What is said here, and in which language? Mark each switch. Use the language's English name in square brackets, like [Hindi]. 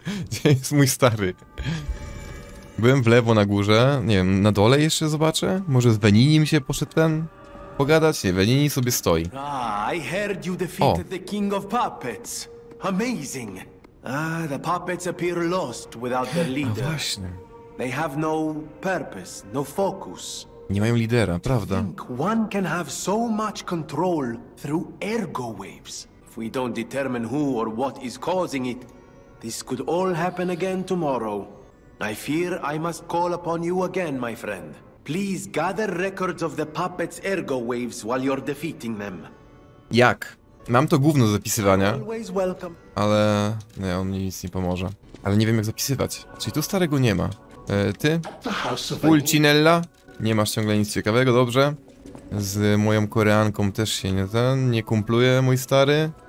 [Polish] Gdzie jest mój stary? Byłem w lewo na górze, nie wiem, na dole jeszcze zobaczę? Może z Veninim się poszedł ten pogadać? Nie, Venini sobie stoi. [English] I heard you defeated the King of Puppets. Amazing. The puppets appear lost without their leader. [Polish] No właśnie. [English] They have no purpose, no focus. [Polish] Nie mają lidera, prawda? [English] One can have so much control through ergo waves. If we don't determine who or what is causing it, this could all happen again tomorrow. I fear I must call upon you again, my friend. Please gather records of the puppets' ergo waves while you're defeating them. [Polish] Jak? Mam to gówno do zapisywania, ale nie, on mi nic nie pomoże. Ale nie wiem, jak zapisywać. Czyli tu starego nie ma. Ty? Pulcinella? Nie masz ciągle nic ciekawego, dobrze. Z moją koreanką też się nie ten, nie kumpluje, mój stary.